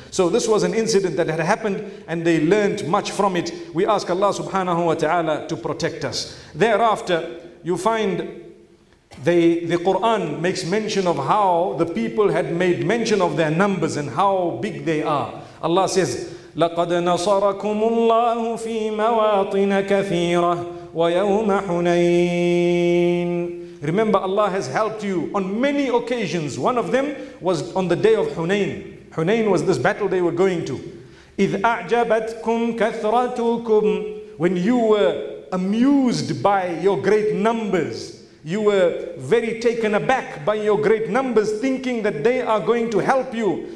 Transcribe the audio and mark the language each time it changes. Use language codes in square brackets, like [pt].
[en] So this was an incident that had happened and they learned much from it. We ask Allah subhanahu wa ta'ala to protect us. Thereafter, you find the Quran makes mention of how the people had made mention of their numbers and how big they are. Allah says, [ar] لقد نصركم الله في مواطن كثيرة ويوم حنين. [en] Remember, Allah has helped you on many occasions. One of them was on the day of Hunain. Hunain was this battle they were going to. [ar] إذ أعجبتكم كثرتكم. [en] When you were amused by your great numbers, you were very taken aback by your great numbers, thinking that they are going to help you.